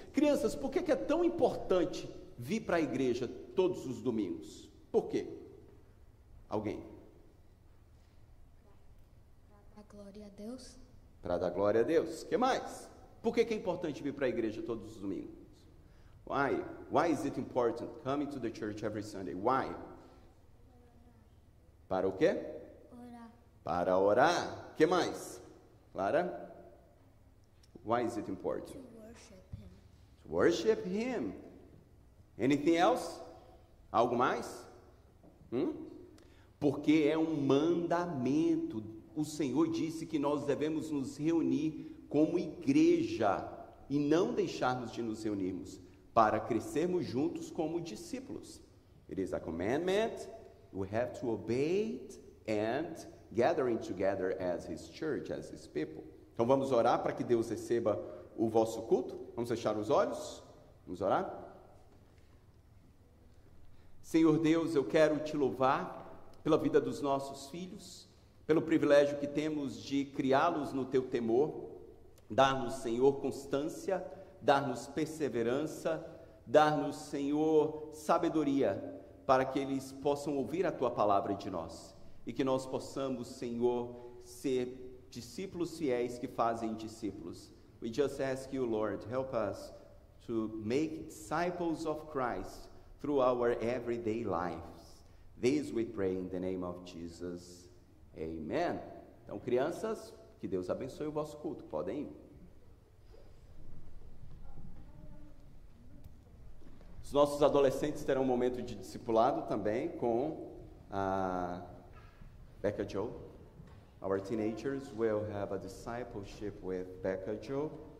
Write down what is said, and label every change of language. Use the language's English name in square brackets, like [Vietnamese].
[Portuguese] Crianças, por que é tão importante vir para a igreja todos os domingos? Por quê? Alguém? Para dar glória a Deus. Para dar glória a Deus. O que mais? Por que é importante vir para a igreja todos os domingos? [English] Why? Why is it important coming to the church every Sunday? Why? [Portuguese] Para o quê? Orar. Para orar. O que mais? [English] Clara, why is it important? To worship him. To worship him. Anything else? [Portuguese] Algo mais? Porque é um mandamento. O Senhor disse que nós devemos nos reunir como igreja e não deixarmos de nos reunirmos para crescermos juntos como discípulos. [English] It is a commandment. We have to obey it and gathering together as his church, as his people. [Portuguese] Então vamos orar para que Deus receba o vosso culto. Vamos fechar os olhos. Vamos orar. Senhor Deus, eu quero te louvar pela vida dos nossos filhos, pelo privilégio que temos de criá-los no teu temor, dar-nos, Senhor, constância, dar-nos perseverança, dar-nos, Senhor, sabedoria para que eles possam ouvir a tua palavra de nós. E que nós possamos, Senhor, ser discípulos fiéis que fazem discípulos. [English] We just ask you, Lord, help us to make disciples of Christ through our everyday lives. This we pray in the name of Jesus. Amen. [Portuguese] Então, crianças, que Deus abençoe o vosso culto. Podem ir. Os nossos adolescentes terão um momento de discipulado também com a Becca Jo. [English] Our teenagers will have a discipleship with Becca Jo.